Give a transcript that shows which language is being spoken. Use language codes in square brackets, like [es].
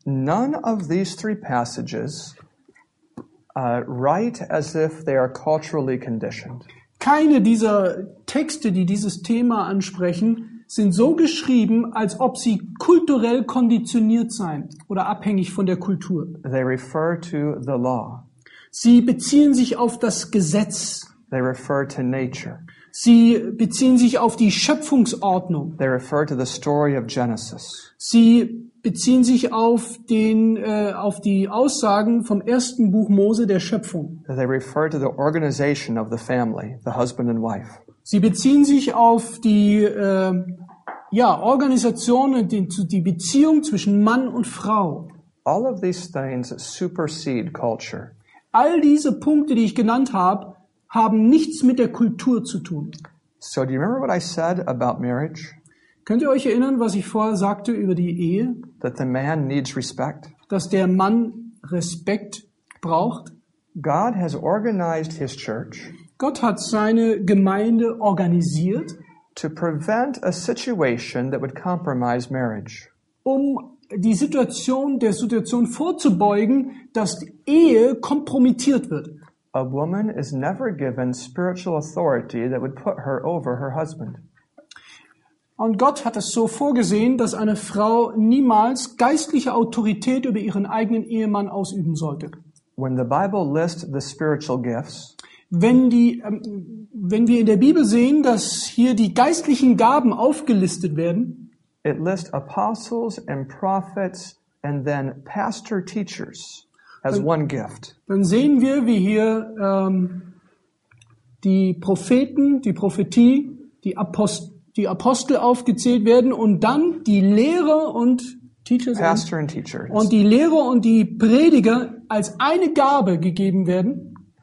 [en] None of these three passages write as if they are culturally conditioned. [de] Keine dieser Texte, die dieses Thema ansprechen, sind so geschrieben, als ob sie kulturell konditioniert seien oder abhängig von der Kultur. [en] They refer to the law. [de] Sie beziehen sich auf das Gesetz. [en] They refer to nature. [de] Sie beziehen sich auf die Schöpfungsordnung. [en] They refer to the story of Genesis. [de] Sie beziehen sich auf den auf die Aussagen vom ersten Buch Mose der Schöpfung. [en] They refer to the organization of the family, the husband and wife. [de] Sie beziehen sich auf die Organisation und die Beziehung zwischen Mann und Frau. [en] All of these things supersede culture. [de] All diese Punkte, die ich genannt habe, haben nichts mit der Kultur zu tun. [en] So, do you remember what I said about marriage? [de] Könnt ihr euch erinnern, was ich vorher sagte über die Ehe? [en] That the man needs respect. [de] Dass der Mann Respekt braucht. [en] God has organized his church. [de] Gott hat seine Gemeinde organisiert. [en] To prevent a situation that would compromise marriage. [de] Um die Situation der Situation vorzubeugen, dass die Ehe kompromittiert wird. [en] A woman is never given spiritual authority that would put her over her husband. [de] Und Gott hat es so vorgesehen, dass eine Frau niemals geistliche Autorität über ihren eigenen Ehemann ausüben sollte. [en] When the Bible lists the spiritual gifts, [de] wenn wir in der Bibel sehen, dass hier die geistlichen Gaben aufgelistet werden, [en] it lists apostles and prophets and then pastor teachers as one gift. [de] Dann sehen wir, wie hier die Propheten, die Prophetie, die Apostel aufgezählt werden und dann die Lehrer und Teachers. [en] Pastor and teachers. [de] Und die Lehrer und die Prediger als eine Gabe gegeben werden.